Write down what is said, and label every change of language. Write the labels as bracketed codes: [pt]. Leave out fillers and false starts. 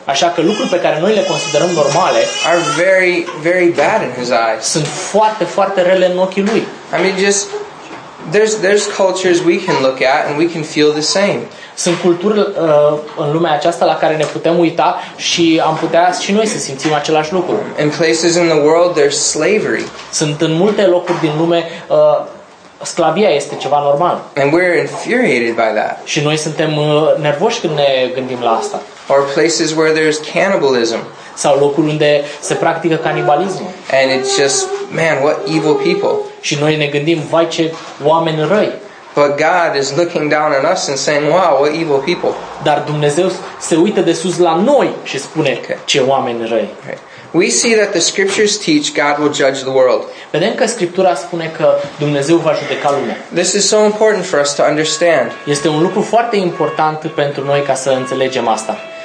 [ro] așa că lucruri pe care noi le considerăm normale, [en] are very very bad in his eyes. [ro] Sunt foarte foarte rele în ochii lui. [en] I mean, just there's cultures we can look at and we can feel the same. [ro] Sunt culturi în lumea aceasta la care ne putem uita și am putea și noi să simțim același lucru. [en] In places in the world there's slavery. [ro] Sunt în multe locuri din lume sclavia este ceva normal. [en] And we're infuriated by that. [ro] Și noi suntem nervoși când ne gândim la asta. [en] Or places where there's cannibalism. [ro] Sau locuri unde se practică canibalismul. [en] And it's just, man, what evil people. [ro] Și noi ne gândim, vai ce oameni răi. [en] But God is looking down on us and saying, wow, what evil people. [ro] Dar Dumnezeu se uită de sus la noi și spune, okay, ce oameni răi. [en] Okay. We see that the scriptures teach God will judge the world. [ro] Vedem că Scriptura spune că Dumnezeu va judeca lumea. [en] This is so important for us to understand. [ro] Este un lucru foarte important pentru noi ca să înțelegem asta.